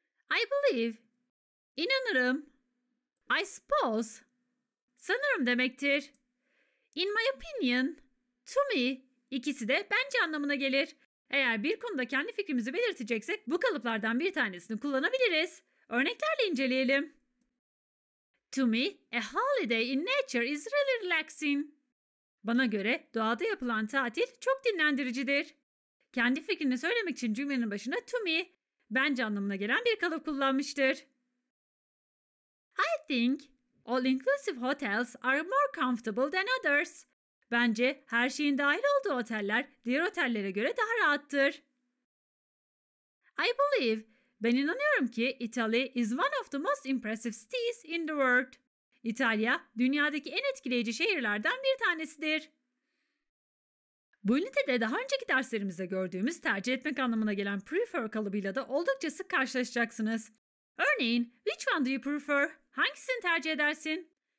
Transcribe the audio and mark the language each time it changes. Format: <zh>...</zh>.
<en>I believe, inanırım. I suppose, sanırım demektir.</en> <tr>In my opinion, to me, ikisi de bence anlamına gelir. Eğer bir konuda kendi fikrimizi belirteceksek bu kalıplardan bir tanesini kullanabiliriz. Örneklerle inceleyelim.</tr> <en>To me, a holiday in nature is really relaxing.</en> <tr>Bana göre doğada yapılan tatil çok dinlendiricidir. Kendi fikrini söylemek için cümlenin başına to me, bence anlamına gelen bir kalıp kullanmıştır.</tr> <en>I think all-inclusive hotels are more comfortable than others.</en> <tr>Bence her şeyin dahil olduğu oteller diğer otellere göre daha rahattır.</tr> <en>I believe, ben inanıyorum ki Italy is one of the most impressive cities in the world.</en> <tr>İtalya, dünyadaki en etkileyici şehirlerden bir tanesidir. Bu ünitede daha önceki derslerimizde gördüğümüz tercih etmek anlamına gelen prefer kalıbıyla da oldukça sık karşılaşacaksınız. Örneğin, which one do you prefer? Hangisini tercih edersin?</tr>